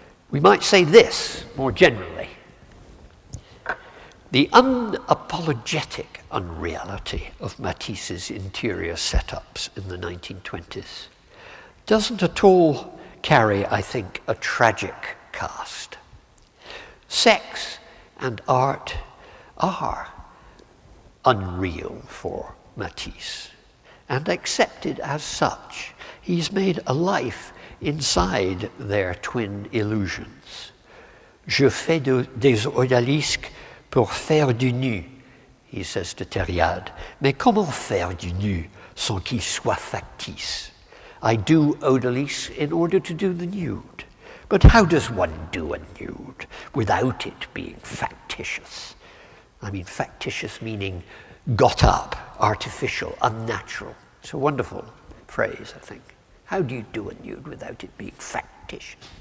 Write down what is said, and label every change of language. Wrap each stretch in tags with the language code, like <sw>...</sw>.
<en>We might say this more generally. The unapologetic unreality of Matisse's interior setups in the 1920s doesn't at all carry, I think, a tragic cast. Sex and art are unreal for Matisse and accepted as such. He's made a life inside their twin illusions.</en> <fr>Je fais des odalisques pour faire du nu,</fr> <en>he says to Thériade.</en> <fr>Mais comment faire du nu sans qu'il soit factice?</fr> <en>I do odalisques in order to do the nude. But how does one do a nude without it being factitious? I mean, factitious meaning got up, artificial, unnatural. It's a wonderful phrase, I think. How do you do a nude without it being factitious?</en>